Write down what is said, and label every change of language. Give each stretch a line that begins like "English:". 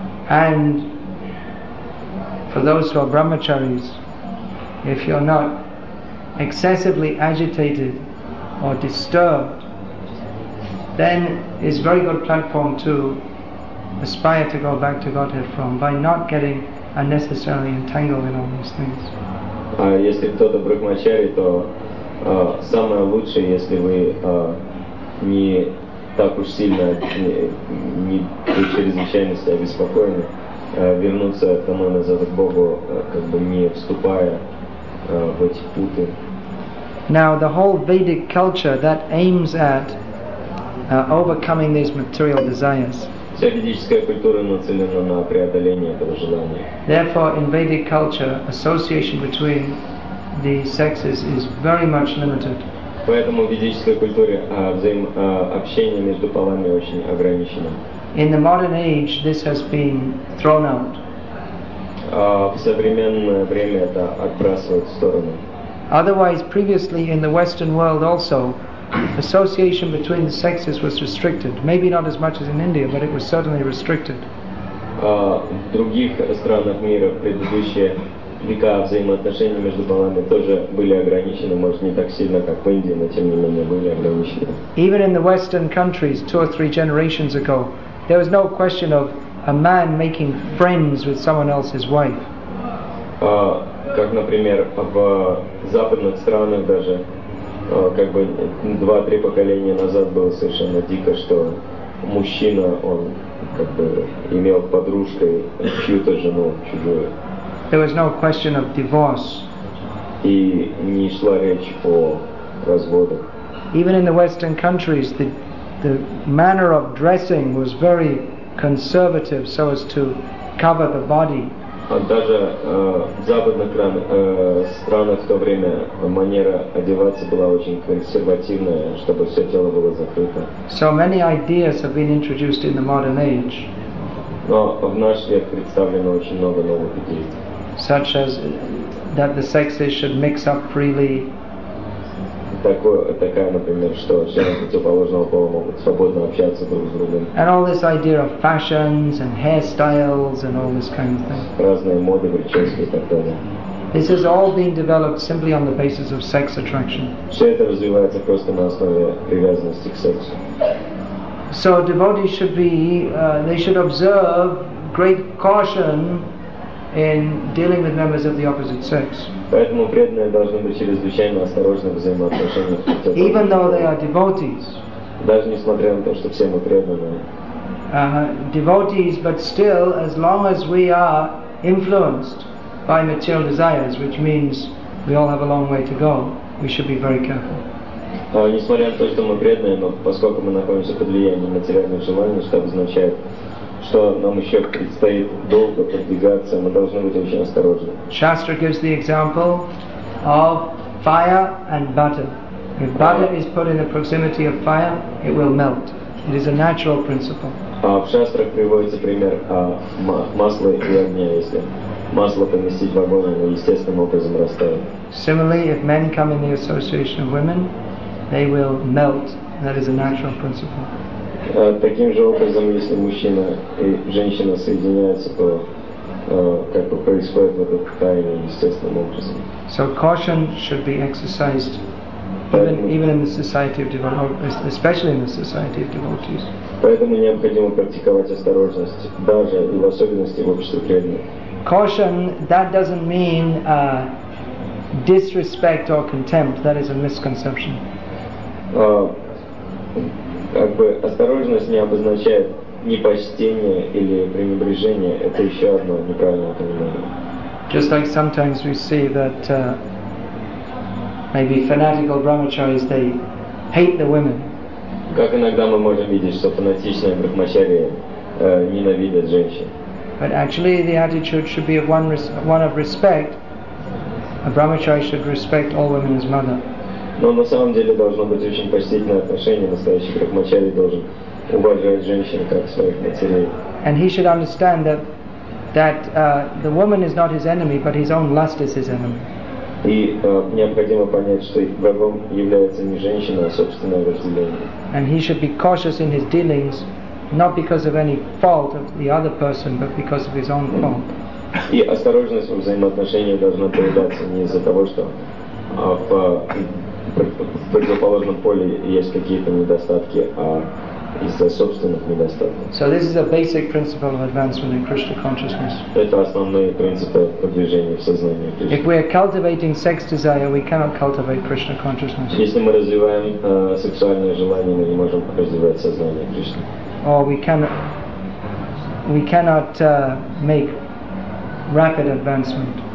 English: And for those who are brahmacharis, if you're not excessively agitated or disturbed, then it's a very good platform to aspire to go back to Godhead from by not getting unnecessarily entangled in all these things.
Russian: Если кто-то брахмачари, то самое лучшее, если вы не так уж сильно, не чрезвычайно себя беспокоены, вернуться домой назад к Богу, как бы не вступая в эти путы.
English: Now the whole Vedic culture that aims at overcoming these material desires.
Russian: Вся ведическая культура нацелена на преодоление этого желания.
English: Therefore, in Vedic culture, association between the sexes is very much limited.
Russian: Поэтому в ведической культуре общение между полами очень ограничено.
English: In the modern age, this has been thrown out.
Russian: В современное время это отбрасывают в сторону.
English: Otherwise, previously in the Western world also, association between the sexes was restricted. Maybe not as much as in India, but it was certainly restricted.
Russian: В других странах мира предыдущие века взаимоотношения между полами тоже были ограничены, может не так сильно, как в Индии, но тем не менее были ограничены.
English: Even in the Western countries, two or three generations ago, there was no question of a man making friends with someone else's wife.
Russian: Как, например, в западных странах даже, как бы два-три поколения назад было совершенно дико, что мужчина, он как бы имел подружкой чью-то жену чужую.
English: There was no question of divorce.
Russian: И не шла речь о разводах.
English: Even in the Western countries, the manner of dressing was very conservative, so as to cover the body.
Russian: Даже в западных странах в то время манера одеваться была очень консервативная, чтобы все тело было закрыто.
English: So many ideas have been introduced in the modern age.
Russian: Но в наш век представлено очень много новых идей.
English: Such as that the sexes should mix up freely.
Russian: Такая, например, что члены противоположного пола могут свободно общаться друг с другом.
English: And all this idea of fashions and hairstyles and all this kind of thing.
Russian: Разные моды, прически и так далее.
English: This has all been developed simply on the basis of sex attraction.
Russian: Все это развивается просто на основе привязанности к сексу.
English: So devotees should be, they should observe great caution in dealing with members of the opposite sex.
Russian: Поэтому преданные должны быть чрезвычайно осторожны в взаимоотношениях.
English: Even though they are devotees.
Russian: Даже несмотря на то, что все мы преданные.
English: Devotees, but still, as long as we are influenced by material desires, which means we all have a long way to go, we should be very careful.
Russian: Несмотря на то, что мы преданные, но поскольку мы находимся под влиянием материальных желаний, что означает, что нам еще предстоит долго продвигаться, мы должны быть очень осторожны.
English: Shastra gives the example of fire and butter. If butter is put in the proximity of fire, it will melt. It is a natural principle.
Russian: В шастрах приводится пример масла и огня. Если масло поместить в огонь, оно естественным образом растает.
English: Similarly, if men come in the association of women, they will melt. That is a natural principle.
Russian: Таким же образом, если мужчина и женщина соединяются, то как бы происходит в этом тайне естественным образом.
English: So caution should be exercised even in the society of devotees, especially in the society of devotees.
Russian: Поэтому необходимо практиковать осторожность, даже и в особенности в обществе преданных.
English: Caution, that doesn't mean disrespect or contempt. That is a misconception.
Russian: Как бы осторожность не обозначает непочтение или пренебрежение. Это еще одно неправильное понимание.
English: Just like sometimes we see that maybe fanatical brahmacharis, they hate the women.
Russian: Как иногда мы можем видеть, что фанатичные брахмачари ненавидят женщин.
English: But actually the attitude should be of one of respect. A brahmachari should respect all women as mother.
Russian: Но на самом деле должно быть очень почтительное отношение. Настоящий брахмачари должен уважать женщин как своих матерей.
English: And he should understand that the woman is not his enemy, but his own lust is his enemy.
Russian: И необходимо понять, что врагом является не женщина, а собственное вожделение.
English: And he should be cautious in his dealings, not because of any fault of the other person, but because of his own fault.
Russian: И осторожность в взаимоотношениях должна проявляться не из-за того, что в противоположном поле есть какие-то недостатки, а из-за собственных недостатков.
English: So this is a basic principle of advancement in Krishna consciousness.
Russian: Это основные принципы продвижения в сознании Кришны.
English: If we are cultivating sex desire, we cannot cultivate Krishna consciousness.
Russian: Если мы развиваем сексуальное желание, мы не можем развивать сознание Кришны.
English: Or we cannot make rapid advancement.